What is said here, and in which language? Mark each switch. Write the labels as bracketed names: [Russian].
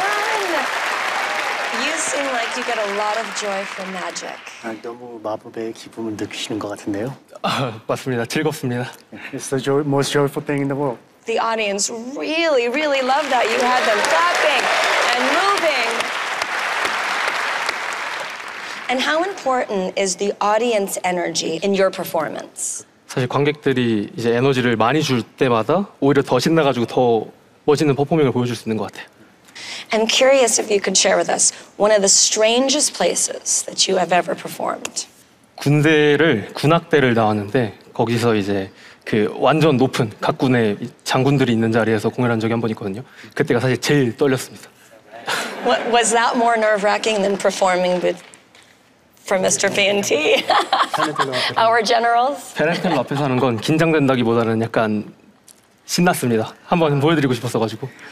[English] sounding like you get a lot of joy from magic. [Korean] 너무 마법의 기쁨을 느끼시는 것 같은데요? 맞습니다. 즐겁습니다. [English] It's the most joyful thing in the world. The audience really, really loved that. You had them clapping and moving. And how important is the audience energy in your performance? [Korean] 사실 관객들이 이제 에너지를 많이 줄 때마다 오히려 더 신나가지고 더 멋있는 퍼포밍을 보여줄 수 있는 것 같아요. [English] I'm curious if you could share with us one of the strangest places that you have ever performed. [Korean] 군악대를 나왔는데 거기서 이제 그 완전 높은 각 군의 장군들이 있는 자리에서 공연한 적이 한번 있거든요. 그때가 사실 제일 떨렸습니다. [English] What, was that more nerve-wracking than performing with for Mr. PNT? Our generals? [Korean] 페넨텔 앞에서 하는 건 긴장된다기보다는 약간 신났습니다. 한번 보여드리고 싶었어가지고.